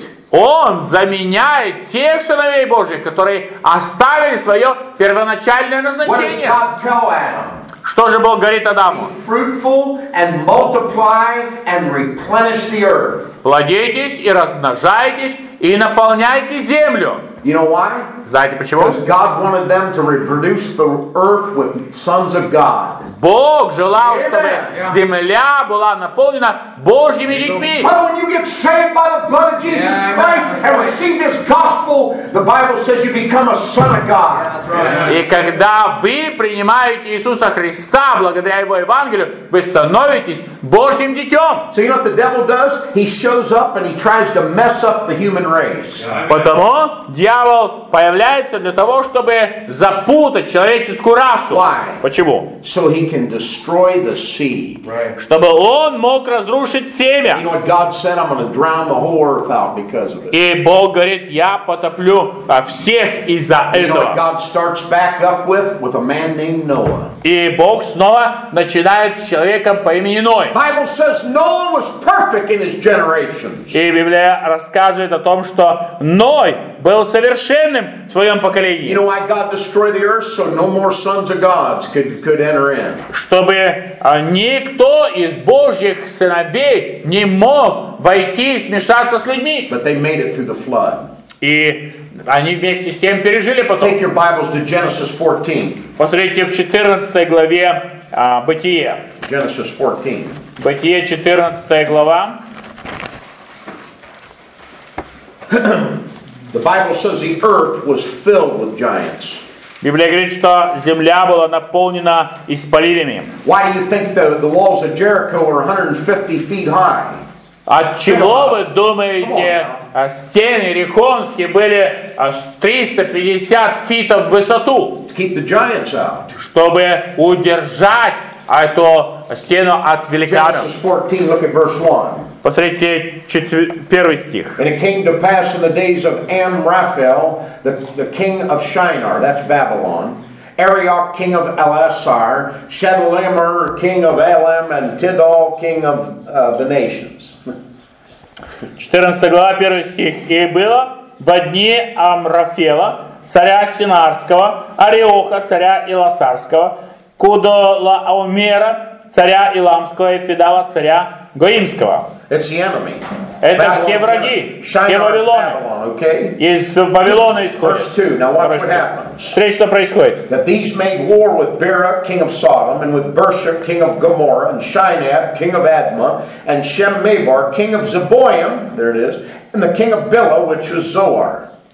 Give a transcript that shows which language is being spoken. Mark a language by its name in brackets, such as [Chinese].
[Russian] Он заменяет тех сыновей Божьих, которые оставили свое первоначальное назначение. Что же Бог говорит Адаму? [English] Be fruitful and multiply and replenish the earth. [Russian] Плодитесь и размножайтесь и наполняйте землю. [English] You know why? [Russian] Знаете почему? [English] Because God wanted them to reproduce the earth with sons of God. [Russian] Бог желал, Amen. Чтобы земля была наполнена Божьими детьми. [English] But when you get saved by the blood of Jesus Christ and receive this gospel, the Bible says you become a son of God. [Russian] И когда вы принимаете Иисуса Христа благодаря Его Евангелию, вы становитесь Божьим детем. [English] So you know what the devil does? He shows up and he tries to mess up the human race. [Russian] Потому дьявол появляется для того, чтобы запутать человеческую расу. [English] Why? [Russian] Почему? [English] So he can destroy the seed. Right. [Russian] Чтобы он мог разрушить семя. [English] You know what God said? I'm going to drown the whole earth out because of it. [Russian] И Бог говорит, я потоплю всех из-за этого. [English] You know what God starts back up with a man named Noah. [Russian] И Бог снова начинает с человеком по имени Ной. [English] Bible says Noah was perfect in his generations. [Russian] И Библия рассказывает о том, что Ной был совершенным в своем поколении. [English] You know why God destroyed the earth so no more sons of gods could enter in? [Russian] Чтобы никто из Божьих сыновей не мог войти и смешаться с людьми. [English] But they made it through the flood. [Russian] И они вместе с тем пережили потом. [English] Take your Bibles to Genesis 14. [Russian] Посмотрите в 14 главе Бытие. [English] Genesis 14. [Russian] Бытие 14 глава. [English] The Bible says the earth was filled with giants. [Russian] Библия говорит, что земля была наполнена исполинами. [English] Why do you think the walls of Jericho were 150 feet high? [Russian] Отчего вы думаете, стены Иерихонские были 350 фитов в высоту? [English] To keep the giants out. [Russian] Чтобы удержать эту стену от великанов. [English] Genesis 14, look at verse 1. [Russian] Посмотрите первый стих. [English] And it came to pass in the days of Amraphel, the king of Shinar, that's Babylon, Arioch, king of Elasar, Shedlamer, king of Elam, and Tidal, king of the nations. [Russian] 14 глава, 1 стих. И было в дни Амрафела, царя Синарского, Ариоха, царя Иласарского, Кудолаомера, царя Иламского, и Фидала, царя Гоимского. [English] It's the enemy. [Russian] Это Babylon's все враги, все Вавилоны. [English] Babylon, okay? [Russian] Из Вавилона исходят. [English] Now watch what happens. [Russian] Смотрите, что происходит. [English] That these made war with Bera, king of Sodom, and with Birsha, king of Gomorrah, and Shinab, king of Admah, and Shem-Mabar, king of Zeboim, there it is, and the king of Bela, which was Zoar.